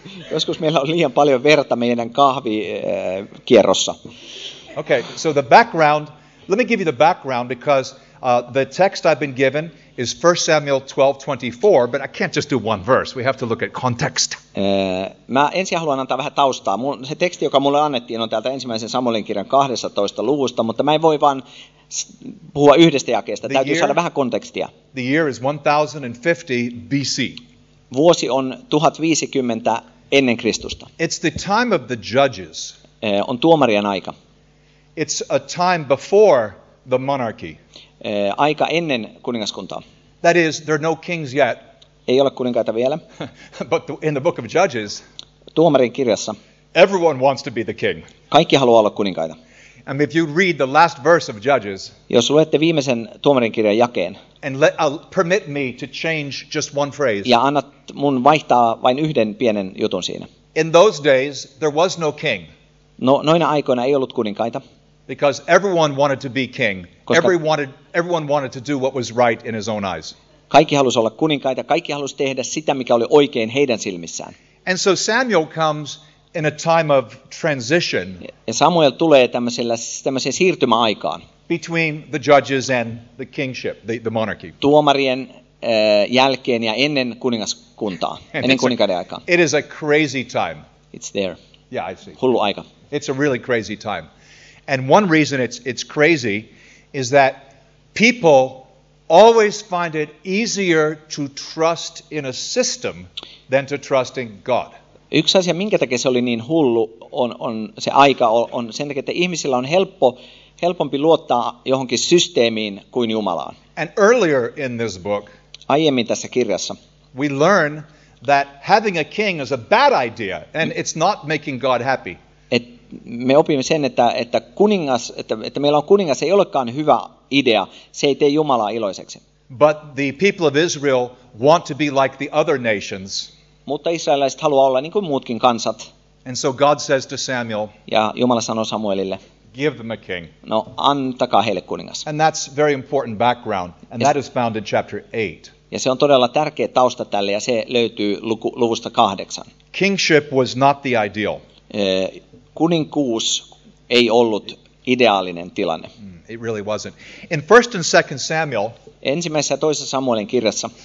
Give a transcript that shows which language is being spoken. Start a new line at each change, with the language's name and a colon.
Finnish: Joskus meillä on liian paljon verta meidän kahvikierrossa.
English: Okay, so the background, let me give you the background because the text I've been given is 1 Samuel 12:24, but I can't just do one verse. We have to look at context.
Finnish: Mä ensin haluan antaa vähän taustaa. Se teksti, joka mulle annettiin, on täältä ensimmäisen Samuelin kirjan 12 luvusta, mutta mä en voi vaan puhua yhdestä jakeesta. Täytyy saada vähän kontekstia.
English: The year is 1050 BC.
Finnish: Vuosi on 1050 ennen Kristusta.
English: It's the time of the judges.
Finnish: On tuomarien aika.
English: It's a time before the monarchy.
Finnish: Aika ennen kuningaskuntaa.
English: That is, there are no kings yet.
Finnish: Ei ole kuninkaita vielä.
English: But in the book of Judges,
Finnish: tuomarin kirjassa,
English: everyone wants to be the king.
Finnish: Kaikki haluaa olla kuninkaita.
English: And if you read the last verse of Judges,
Finnish: jos luette viimeisen tuomarin kirjan jakeen,
English: and permit me to change just one phrase.
Finnish: Ja annat mun vaihtaa vain yhden pienen jutun siinä.
English: In those days, there was no king.
Finnish: Noina aikoina ei ollut kuninkaita.
English: Because everyone wanted to be king. Everyone wanted to do what was right in his own eyes.
Finnish: Kaikki halusi olla kuninkaita, kaikki halusi tehdä sitä, mikä oli oikein heidän silmissään.
English: And so Samuel comes in a time of transition.
Finnish: Ja Samuel tulee tämmöiseen siirtymäaikaan.
English: Between the judges and the kingship, the monarchy.
Finnish: Tuomarien jälkeen ja ennen kuningaskuntaa, ennen kuninkaiden aikaa.
English: It is a crazy time. It's there. Yeah, I see.
Finnish: Hullu aika.
English: It's a really crazy time. And one reason it's crazy is that people always find it easier to trust in a system than to trust in God.
Finnish: Yksi asia, minkä takia se oli niin hullu, on se aika, on sen takia, että ihmisillä on helpompi luottaa johonkin systeemiin kuin Jumalaan.
English: And earlier in this book,
Finnish: aiemmin tässä kirjassa,
English: we learn that having a king is a bad idea and it's not making God happy.
Finnish: Me opimme sen, että meillä on kuningas, ei olekaan hyvä idea, se ei tee Jumalaa iloiseksi.
English: But the people of Israel want to be like the other nations.
Finnish: Mutta israelaiset haluaa olla niin kuin muutkin kansat.
English: And so God says to Samuel.
Finnish: Ja Jumala sanoo Samuelille.
English: Give them a king.
Finnish: No, antakaa heille kuningas.
English: And that's very important background, and that is found in chapter 8.
Finnish: Ja se on todella tärkeä tausta tälle, ja se löytyy luvusta 8.
English: Kingship was not the ideal.
Finnish: Kuninkuus ei ollut ideaalinen tilanne.
English: It really wasn't. In 1 and 2 Samuel,
Finnish: ensimmäisessä ja toisessa Samuelin kirjassa,